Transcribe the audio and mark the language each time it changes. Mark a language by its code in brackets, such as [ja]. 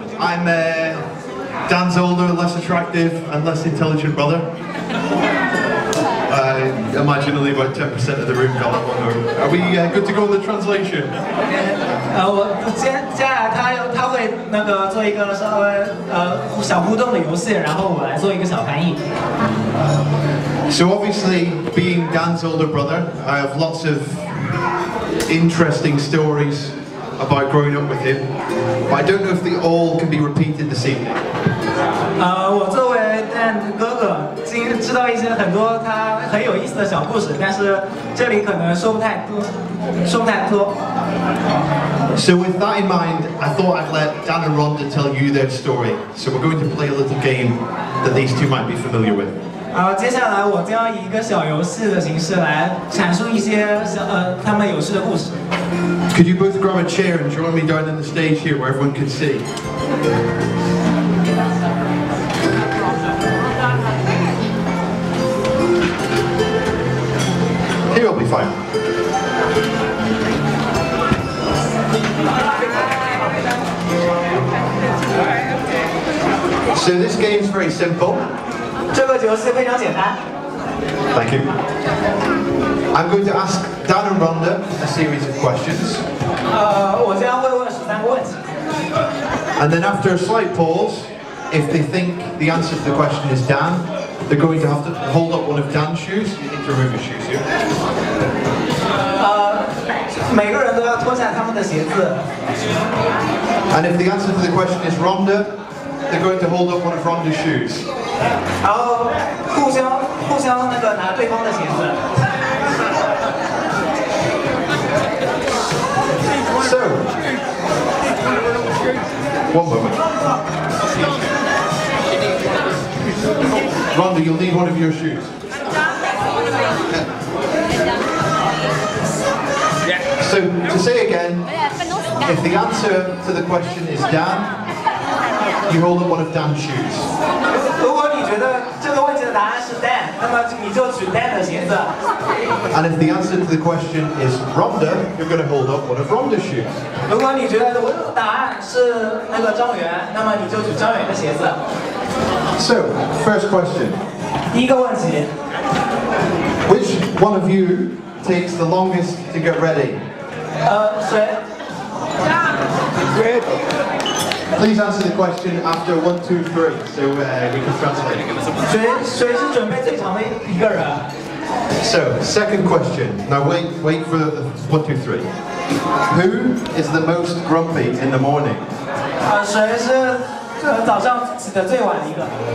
[en] I'm Dan's older, less attractive and less intelligent brother. I imagine only about 10% of the room got that one over. Are we good to go on the translation? [zh] 我接下来他会那个做一个稍微小互动的游戏，然后我来做一个小翻译。 [en] So obviously, being Dan's older brother, I have lots of interesting stories about growing up with him, but I don't know if they all can be repeated this evening. [zh] 我作为 Dan 哥哥，知道一些很多他很有意思的小故事，但是这里可能说不太多，说不太多。 [en] So with that in mind, I thought I'd let Dan and Rhonda tell you their story. So we're going to play a little game that these two might be familiar with. [zh] 接下来我将以一个小游戏的形式来阐述一些他们有趣的故事。 [en] Could you both grab a chair and join me down on the stage here where everyone can see? Here we'll be fine. So this game is very simple. [zh] 这个游戏非常简单。 [en] Thank you. I'm going to ask Dan and Rhonda a series of questions. [zh] 我将会问13个问题。 [en] And then after a slight pause, if they think the answer to the question is Dan, they're going to have to hold up one of Dan's shoes. You need to remove your shoes here. [zh] 每个人都要脱下他们的鞋子。 [en] And if the answer to the question is Rhonda,They're going to hold up one of Rhonda's shoes. [zh] 然后互相那个拿对方的鞋子。 [en] So, one moment. Rhonda, you'll need one of your shoes. So, to say again, if the answer to the question is Dan,You hold up one of Dan's shoes. [zh] 如果你觉得这个问题的答案是 Dan, 那么你就举 Dan 的鞋子。 [en] And if the answer to the question is Rhonda, you're going to hold up one of Rhonda's shoes. [zh] 如果你觉得我答案是那个张远，那么你就举张远的鞋子。 [en] So, first question. [zh] 第一个问题。 [en] Which one of you takes the longest to get ready? [zh] 谁？ [en] Please answer the question after 1, 2, 3, so we can translate. [zh] 谁是准备最长的一个人？ [en] So, second question. Now wait for 1, 2, 3. Who is the most grumpy in the morning? [zh] 谁是早上起的最晚一个？